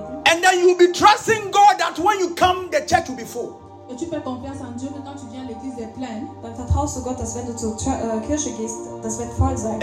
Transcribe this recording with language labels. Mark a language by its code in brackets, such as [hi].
[en] And then you'll be trusting God that when you come, the church will be full. [fr] Et tu fais confiance en Dieu que quand tu viens l'église est pleine. [de] Dann vertraust du Gott, dass wenn du zur Kirche gehst, das wird voll sein.